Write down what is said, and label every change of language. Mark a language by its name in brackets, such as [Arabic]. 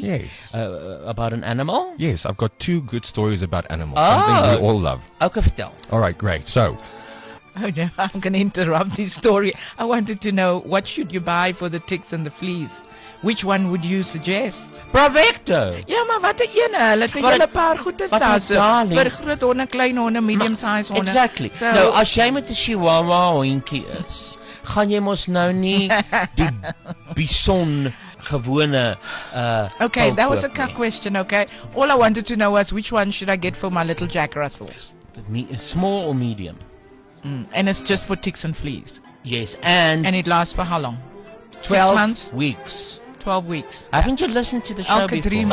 [English] Yes. About an animal? Yes, I've got two good stories about animals. Oh. Something we all love. Okay, tell. All right, great. So. Oh no, I'm going to interrupt this story. I wanted to know, what should you buy for the ticks and the fleas? Which one would you suggest? Bravecto. [Afrikaans] Ja, maar wat die ene, hulle het 'n hele paar goedes daar so. Vir groot honde, klein honde, medium size honde. [English] Exactly. [Afrikaans] So, nou, as jy met 'n chihuahua hondjie is, gaan jy mos nou nie die bison gewone [English] okay, that was a cut question, okay? All I wanted to know was, which one should I get for my little Jack Russells? Small or medium? And it's just for ticks and fleas? Yes, and it lasts for how long? 6 months? 12 weeks. Haven't you listened to the show before?